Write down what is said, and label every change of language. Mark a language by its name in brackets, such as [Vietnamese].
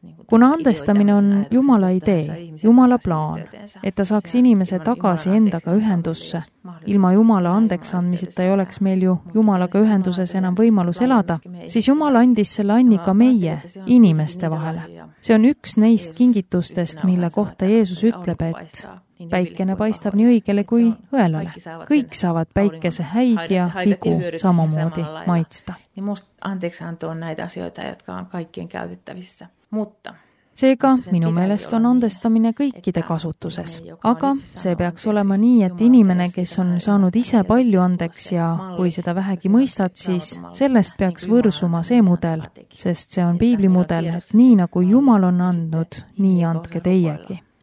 [Estonian] Kuna andestamine on Jumala idee, Jumala plaan, et ta saaks inimese tagasi endaga ühendusse, ilma Jumala andeks andmiseta ei oleks meil ju Jumalaga ühenduses enam võimalus elada, siis Jumal andis selle annika meie, inimeste vahele. See on üks neist kingitustest, mille kohta Jeesus ütleb, et päikene paistab nii õigele kui õelale. Kõik saavad päikese häid ja vigu samamoodi maitsta. [Finnish] Andeks anto on näitä asioita, jotka on kaikkien käytettävissä. Mutta [Estonian] seega minu meelest on andestamine kõikide kasutuses, aga see peaks olema nii, et inimene, kes on saanud ise palju andeks ja kui seda vähegi mõistad, siis sellest peaks võrsuma see mudel, sest see on piibli mudel, et nii nagu Jumal on andnud, nii andke teiegi.